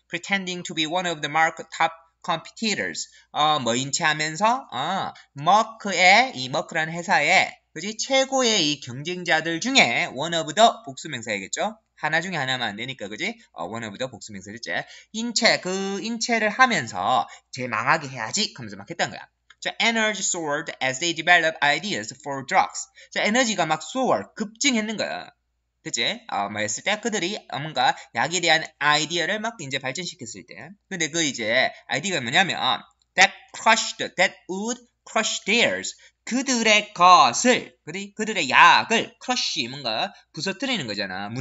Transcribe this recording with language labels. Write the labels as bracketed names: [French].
[English] Pretending to be one of the Merck top competitors, [Korean] 뭐인 체하면서 머크의 이 머크라는 회사의 그지 최고의 이 경쟁자들 중에 [English] one of the [Korean] 복수명사이겠죠. 하나 중에 하나만 안 되니까 그지? [English] one of the [Korean] 복수명사 셋째. 인체 그 인체를 하면서 제일 망하게 해야지 하면서 막 했던 거야. [English] 자, energy soared as they developed ideas for drugs. [Korean] 자, 에너지가 막 soar 급증했는 거야. 그지? 뭐 했을 때 그들이 뭔가 약에 대한 아이디어를 막 이제 발전시켰을 때. 근데 그 이제 아이디어가 뭐냐면 [English] that would crush theirs. [Korean] 그들의 것을, 그지? 그들의 약을 crush 뭔가 부서뜨리는 거잖아.